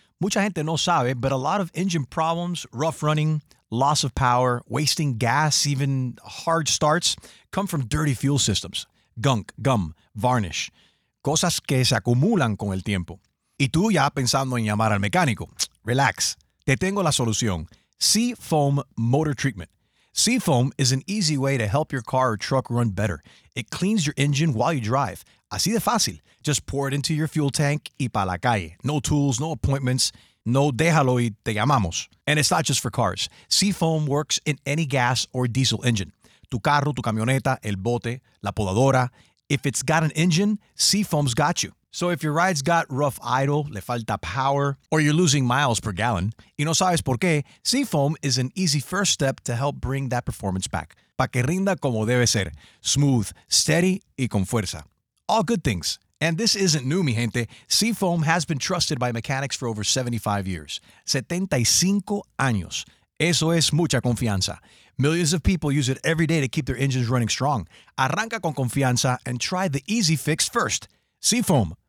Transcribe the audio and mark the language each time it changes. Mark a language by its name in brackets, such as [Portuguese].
[Spanish] Mucha gente no sabe, [English] but a lot of engine problems, rough running, loss of power, wasting gas, even hard starts, come from dirty fuel systems. Gunk, gum, varnish. [Spanish] Cosas que se acumulan con el tiempo. Y tú ya pensando en llamar al mecánico. Relax. Te tengo la solución. Seafoam Motor Treatment. [English] Seafoam is an easy way to help your car or truck run better. It cleans your engine while you drive. [Spanish] Así de fácil. [English] Just pour it into your fuel tank [Spanish] y pa' la calle. [English] No tools, no appointments. [Spanish] No déjalo y te llamamos. [English] And it's not just for cars. Seafoam works in any gas or diesel engine. [Spanish] Tu carro, tu camioneta, el bote, la podadora. [English] If it's got an engine, Seafoam's got you. So if your ride's got rough idle, [Spanish] le falta [English] power, or you're losing miles per gallon, [Spanish] y no sabes por qué, [English] Seafoam is an easy first step to help bring that performance back. [Spanish] Pa' que rinda como debe ser. [English] Smooth, steady, [Spanish] y con fuerza. [English] All good things. And this isn't new, [Spanish] mi gente. [English] Seafoam has been trusted by mechanics for over 75 years. [Spanish] 75 años. Eso es mucha confianza. [English] Millions of people use it every day to keep their engines running strong. [Spanish] Arranca con confianza [English] and try the easy fix first. Seafoam.